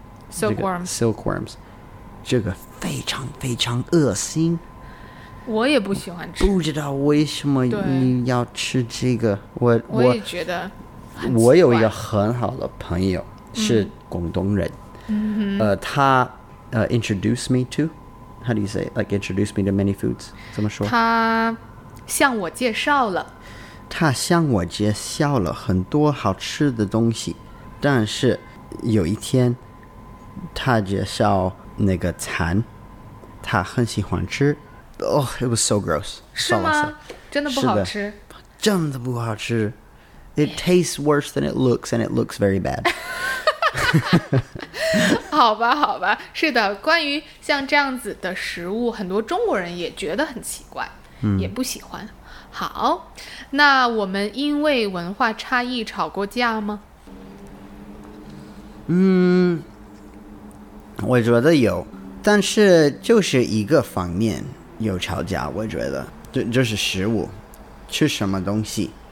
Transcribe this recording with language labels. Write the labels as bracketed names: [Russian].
[English] silkworms [Chinese] 这个非常非常恶心，我也不喜欢吃，不知道为什么你要吃这个。我也觉得，我有一个很好的朋友是广东人，嗯、 [English] 他introduced me to, how do you say, like introduced me to many foods, [Chinese] 怎么说？他向我介绍了，他向我介绍了很多好吃的东西，但是有一天他介绍那个蚕，他很喜欢吃。 [English] Oh, it was so gross. [Chinese] 是吗？真的不好吃？是的，真的不好吃。 [English] It tastes worse than it looks, and it looks very bad. [Chinese] 好吧，好吧，是的，关于像这样子的食物，很多中国人也觉得很奇怪，也不喜欢。好，那我们因为文化差异吵过架吗？嗯，我觉得有，但是就是一个方面有吵架，我觉得，就是食物，吃什么东西。